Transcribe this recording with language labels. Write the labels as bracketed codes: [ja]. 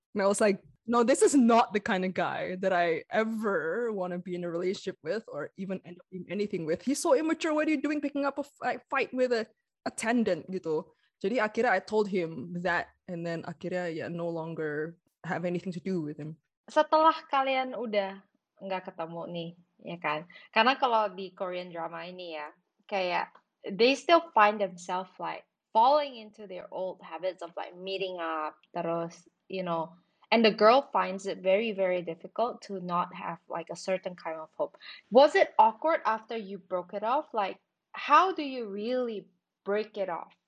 [en] And I was like, no, this is not the kind of guy that I ever want to be in a relationship with or even end up in anything with. He's so immature. What are you doing picking up a fight with an attendant? Gitu. [id] Jadi akhirnya [en] I told him that. And then akhirnya yeah, no longer have anything to do with him. [id] Setelah kalian udah nggak ketemu nih, ya kan? Karena kalau di Korean drama ini ya, kayak... [en] They still find themselves like falling into their old habits of like meeting up, terus, you know, and the girl finds it very, very difficult to not have like a certain kind of hope. Was it awkward after you broke it off? Like, how do you really break it off?